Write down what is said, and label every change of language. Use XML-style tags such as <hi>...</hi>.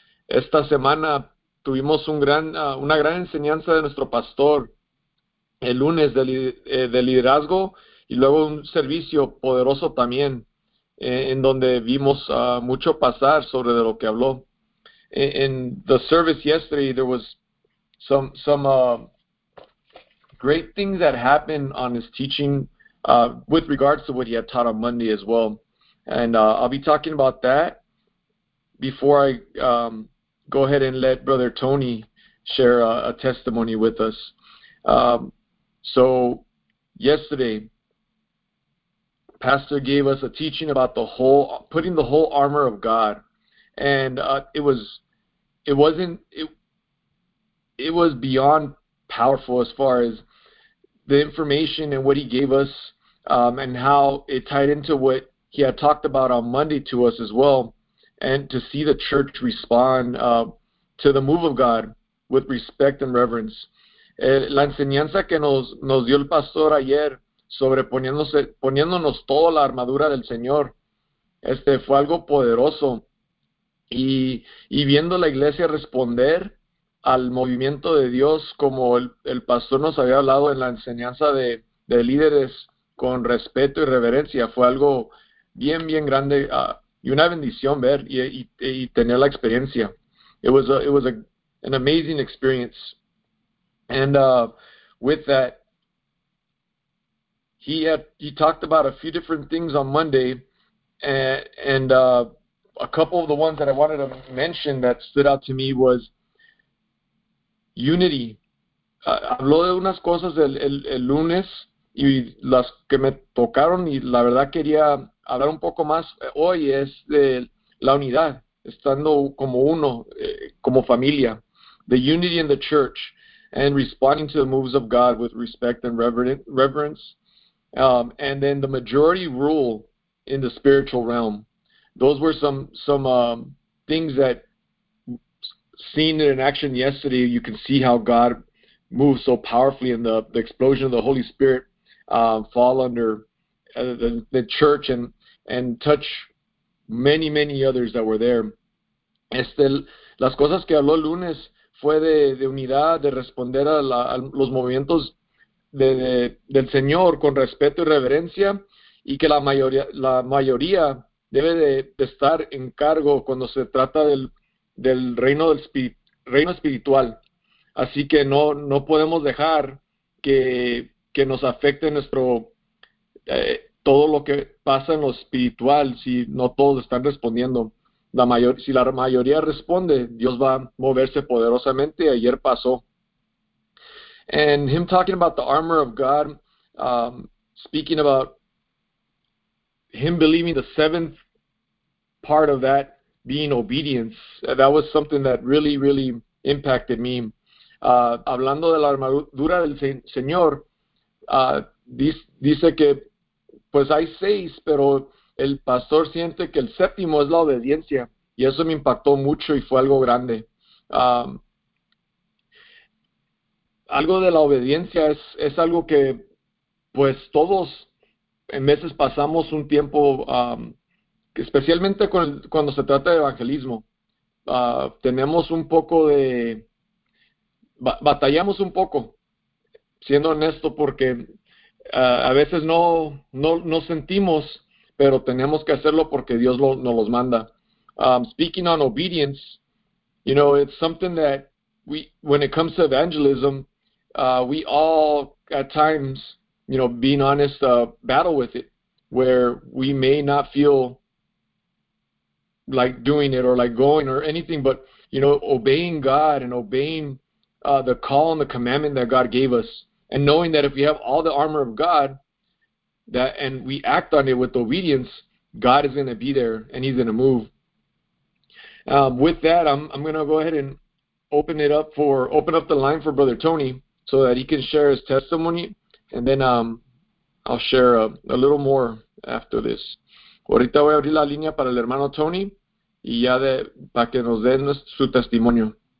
<es>Esta semana tuvimos una gran enseñanza de nuestro pastor. El lunes de liderazgo, y luego un servicio poderoso también, en donde vimos mucho pasar sobre de lo que habló.</es> <en>In the service yesterday, there was some great things that happened on his teaching with regards to what he had taught on Monday as well. And I'll be talking about that before I go ahead and let Brother Tony share a testimony with us. So yesterday, Pastor gave us a teaching about putting the whole armor of God, and it was beyond powerful as far as the information and what he gave us, and how it tied into what he had talked about on Monday to us as well, and to see the church respond to the move of God with respect and reverence.</en> <es>La enseñanza que nos dio el pastor ayer sobre poniéndonos toda la armadura del Señor, fue algo poderoso. Y viendo la iglesia responder al movimiento de Dios, como el pastor nos había hablado en la enseñanza de líderes con respeto y reverencia, fue algo bien, bien grande y una bendición ver y tener la experiencia.</es> <en>It was an amazing experience. And with that, he talked about a few different things on Monday, and a couple of the ones that I wanted to mention that stood out to me was unity.</en> <es>Habló de unas cosas el lunes y las que me tocaron, y la verdad quería hablar un poco más hoy, es de la unidad, estando como uno, como familia,</es> <en>the unity in the church, and responding to the moves of God with respect and reverence. And then the majority rule in the spiritual realm. Those were some things that, seen in action yesterday, you can see how God moves so powerfully in the explosion of the Holy Spirit fall under the church and touch many, many others that were there.</en> <es>Las cosas que habló lunes fue de unidad, de responder a los movimientos del Señor con respeto y reverencia, y que la mayoría debe de estar en cargo cuando se trata del reino reino espiritual. Así que no podemos dejar que nos afecte nuestro todo lo que pasa en lo espiritual si no todos están respondiendo. Si la mayoría responde, Dios va a moverse poderosamente. Ayer pasó.</es> <en>And him talking about the armor of God, speaking about him believing the seventh part of that being obedience, that was something that really, really impacted me.</en> <es>Hablando de la armadura del Señor, dice que pues hay seis, pero el pastor siente que el séptimo es la obediencia, y eso me impactó mucho y fue algo grande. Algo de la obediencia es algo que, pues, todos en veces pasamos un tiempo, especialmente cuando se trata de evangelismo. Tenemos un poco de... Batallamos un poco, siendo honesto, porque a veces no sentimos, pero tenemos que hacerlo porque Dios nos los manda.</es> <en>Speaking on obedience, you know, it's something that when it comes to evangelism, we all, at times, you know, being honest, battle with it, where we may not feel like doing it or like going or anything, but, you know, obeying God and obeying the call and the commandment that God gave us, and knowing that if we have all the armor of God, that and we act on it with obedience, God is going to be there and He's going to move. With that, I'm going to go ahead and open up the line for Brother Tony, so that he can share his testimony, and then I'll share a little more after this.</en> <es>Ahorita voy a abrir la línea para el hermano Tony, y ya para que nos den su testimonio.</es>